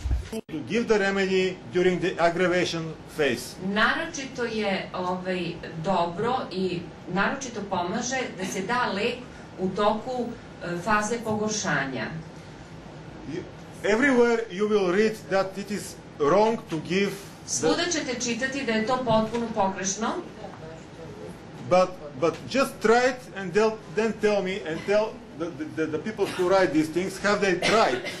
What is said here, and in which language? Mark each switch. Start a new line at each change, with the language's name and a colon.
English: To give the remedy during the aggravation phase.
Serbian: Naročito je dobro I naročito pomaže da se da lek u toku faze pogoršanja.
English: Everywhere you will read that it is wrong to give.
Serbian: Svuda ćete čitati da je to potpuno pogrešno.
English: But just try it and then tell me and tell the people who write these things have they tried.